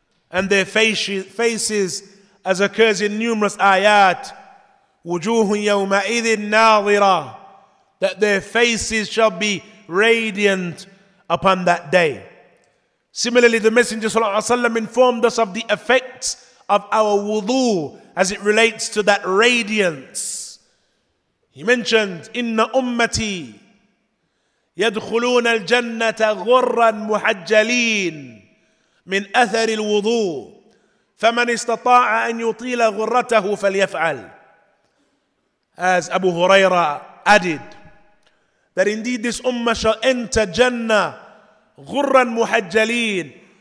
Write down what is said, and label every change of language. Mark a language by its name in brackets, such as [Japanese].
[English] And their faces, as occurs in numerous ayat, [Arabic] وُجُوهٌ يَوْمَئِذٍ نَاظِرًا, [English] that their faces shall be radiant upon that day. Similarly, the Messenger صلى الله عليه وسلم informed us of the effects of our wudu as it relates to that radiance. [Arabic] He mentioned, إِنَّ أُمَّتِي يَدْخُلُونَ الْجَنَّةَ غُرًّا مُحَجَّلِينَ مِنْ أَثَرِ الْوُضُوء فَمَنْ اسْتَطَاعَ أَنْ يُطِيلَ غُرَّتَهُ فَلْيَفْعَلْ. [English] As Abu Huraira added, that indeed this ummah shall enter Jannah [Arabic] غُرًّا مُحَجَّلِينَ.